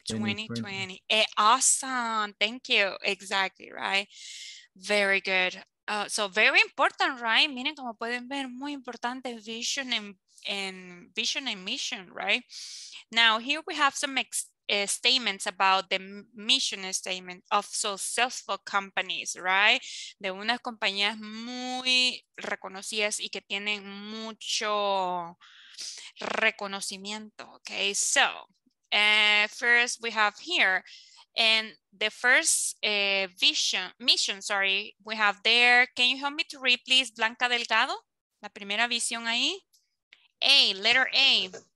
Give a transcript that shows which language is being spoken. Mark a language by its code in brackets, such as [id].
[en] 2020. Awesome. Thank you. Exactly, right? Very good. So very important, right? [es] Miren, como pueden ver, muy importante [en] vision and mission, right? Now, here we have some statements about the mission statement of successful companies, right? [es] De unas compañías muy reconocidas y que tienen mucho reconocimiento, okay? [en] So, first we have here, and the first mission, we have there. Can you help me to read, please, Blanca Delgado? [es] La primera visión ahí. A, letter A.